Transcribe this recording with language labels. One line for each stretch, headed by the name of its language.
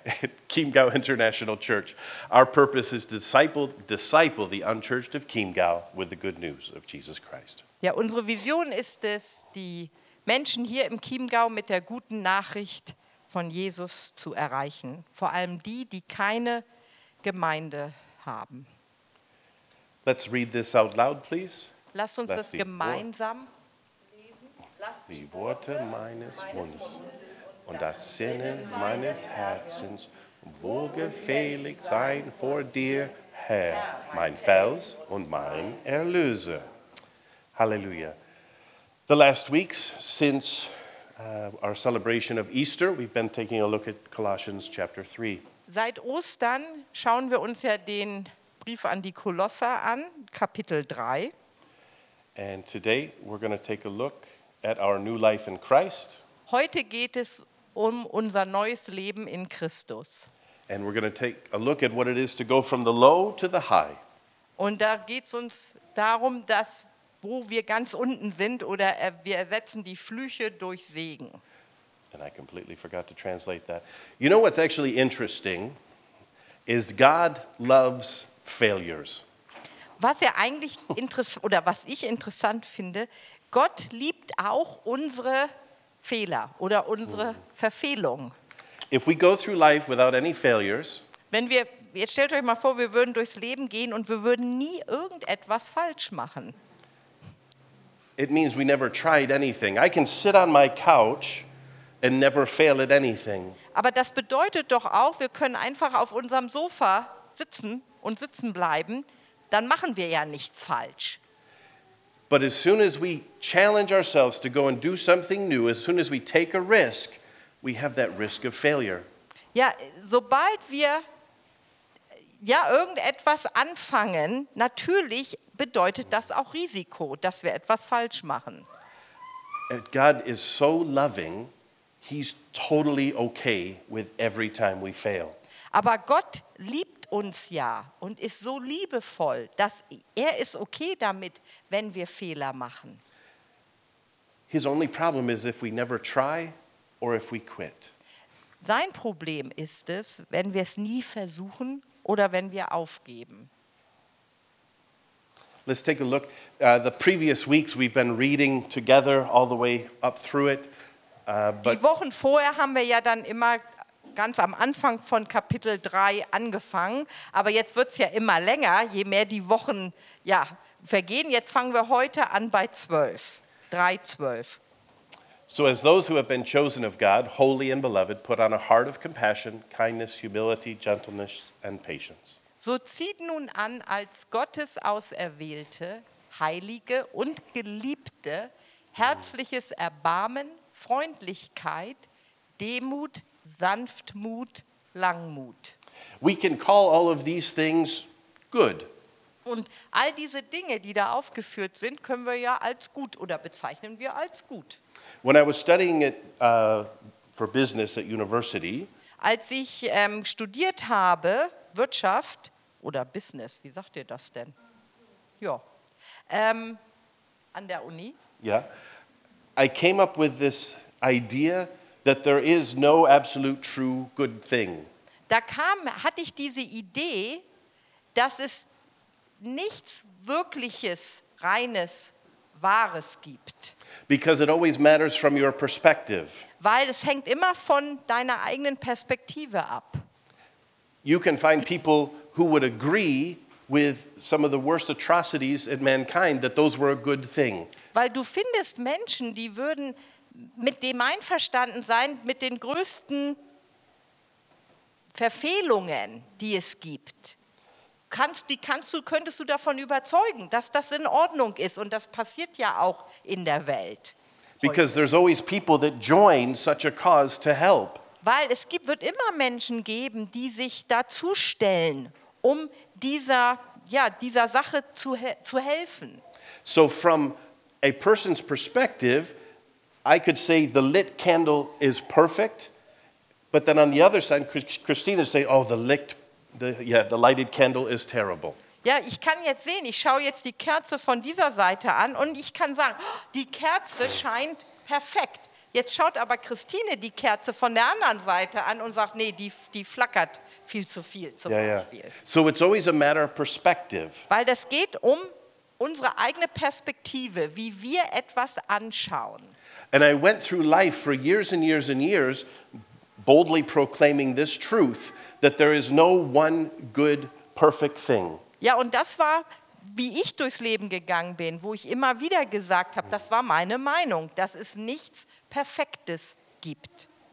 English: at Qimgao International Church. Our purpose is to disciple the unchurched of Qimgao with the good news of Jesus Christ.
German: Ja, unsere Vision ist es, die Menschen hier im Qimgao mit der guten Nachricht von Jesus zu erreichen. Vor allem die, die keine Gemeinde haben.
English: Let's read this out loud, please.
German: Lass uns das gemeinsam lesen. Die Worte meines Mundes und das Sinnen meines Herzens wohlgefällig sein vor dir, Herr, mein Fels und mein Erlöser. Halleluja.
English: The last weeks since our celebration of Easter, we've been taking a look at Colossians chapter 3.
German: Seit Ostern schauen wir uns ja den Brief an die Kolosser an, Kapitel 3.
English: And today we're going to take a look at our new life in Christ.
German: Heute geht es um unser neues Leben in Christus.
English: And we're going to take a look at what it is to go from the low to the high.
German: Und da geht's uns darum, dass wo wir ganz unten sind oder wir ersetzen die Flüche durch Segen.
English: And I completely forgot to translate that. You know what's actually interesting is God loves failures.
German: Was er eigentlich oder was ich interessant finde, Gott liebt auch unsere Fehler oder unsere Verfehlungen.
English: If we go through life without any failures,
German: wenn wir jetzt stellt euch mal vor, wir würden durchs Leben gehen und wir würden nie irgendetwas falsch machen.
English: It means we never tried anything. I can sit on my couch and never fail at anything.
German: Aber das bedeutet doch auch, wir können einfach auf unserem Sofa sitzen und sitzen bleiben. Dann machen wir ja nichts falsch.
English: But as soon as we challenge ourselves to go and do something new, as soon as we take a risk, we have that risk of failure.
German: Ja, sobald wir ja irgendetwas anfangen, natürlich bedeutet das auch Risiko, dass wir etwas falsch machen.
English: God is so loving, he's totally okay with every time we fail.
German: Aber Gott liebt uns ja und ist so liebevoll, dass er ist okay damit, wenn wir Fehler machen.
English: His only problem is if we never try or if we quit.
German: Sein Problem ist es, wenn wir es nie versuchen oder wenn wir aufgeben.
English: Let's take a look. The previous weeks we've been reading together all the way up through it.
German: Die Wochen vorher haben wir ja dann immer ganz am Anfang von Kapitel 3 angefangen, aber jetzt wird's ja immer länger, je mehr die Wochen ja vergehen. Jetzt fangen wir heute an bei 12. 3:12.
English: So as those who have been chosen of God, holy and beloved, put on a heart of compassion, kindness, humility, gentleness and patience.
German: So zieht nun an als Gottes Auserwählte, Heilige und Geliebte, herzliches Erbarmen, Freundlichkeit, Demut, Sanftmut, Langmut.
English: We can call all of these things good.
German: Und all diese Dinge, die da aufgeführt sind, können wir ja als gut oder bezeichnen wir als gut.
English: When I was studying it for business at university,
German: als ich studiert habe, Wirtschaft, oder Business, wie sagt ihr das denn? Ja, an der Uni.
English: Yeah, I came up with this idea that there is no absolute true good thing.
German: Da hatte ich diese Idee, dass es nichts Wirkliches, Reines, Wahres gibt.
English: Because it always matters from your perspective.
German: Weil es hängt immer von deiner eigenen Perspektive ab.
English: You can find people who would agree with some of the worst atrocities in mankind that those were a good thing.
German: Weil du findest Menschen, die würden mit dem einverstanden sein, mit den größten Verfehlungen, die es gibt. Könntest du davon überzeugen, dass das in Ordnung ist? Und das passiert ja auch in der Welt.
English: Because there's always people that join such a cause to help.
German: Weil es wird immer Menschen geben, die sich dazustellen, um dieser Sache zu helfen.
English: So from a person's perspective, I could say the lit candle is perfect, but then on the other side, Christina say, oh, the lighted candle is terrible.
German: Ja, ich kann jetzt sehen, ich schaue jetzt die Kerze von dieser Seite an und ich kann sagen, oh, die Kerze scheint perfekt. Jetzt schaut aber Christine die Kerze von der anderen Seite an und sagt, nee, die flackert viel zu viel zum Beispiel.
English: Yeah. So it's always a matter of perspective.
German: Weil das geht um unsere eigene Perspektive, wie wir etwas anschauen.
English: And I went through life for years and years and years boldly proclaiming this truth that there is no one good perfect thing.
German: Ja, und das war, wie ich durchs Leben gegangen bin, wo ich immer wieder gesagt habe, das war meine Meinung, dass es nichts Perfektes gibt.